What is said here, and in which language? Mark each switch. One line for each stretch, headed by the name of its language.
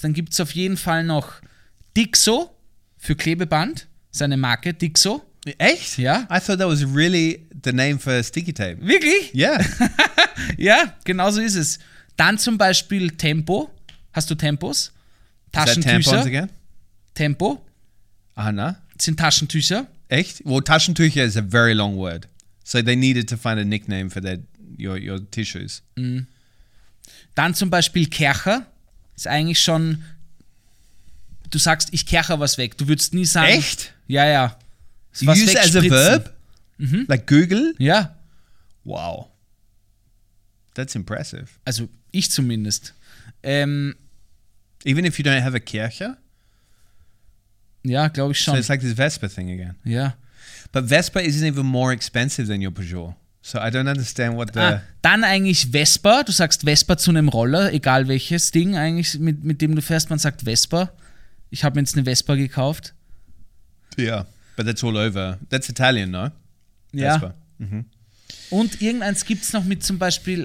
German: Dann gibt's auf jeden Fall noch Dixo für Klebeband. Seine Marke Dixo. Echt? Ja.
English: I thought that was really the name for sticky tape.
German: Wirklich?
English: Yeah.
German: Ja, genau so ist es. Dann zum Beispiel Tempo. Hast du Tempos? Taschentücher.
English: Is that tampons again?
German: Tempo. Ah, na. Sind Taschentücher. Echt?
English: Well, Taschentücher is a very long word. So they needed to find a nickname for your tissues.
German: Mm. Dann zum Beispiel Kercher. Ist eigentlich schon, du sagst, ich kercher was weg. Du würdest nie sagen. Echt? Ja, ja.
English: Was use as a verb? Mm-hmm. Like Google?
German: Ja.
English: Wow. That's impressive.
German: Also ich zumindest.
English: Even if you don't have a Kercher?
German: Ja, glaube ich schon.
English: So it's like this Vespa thing again.
German: Ja.
English: But Vespa isn't even more expensive than your Peugeot. So I don't understand what the...
German: Dann eigentlich Vespa. Du sagst Vespa zu einem Roller, egal welches Ding eigentlich, mit dem du fährst. Man sagt Vespa. Ich habe mir jetzt eine Vespa gekauft.
English: Yeah, but that's all over. That's Italian, no? Vespa.
German: Ja. Mm-hmm. Und irgendeins gibt es noch mit zum Beispiel...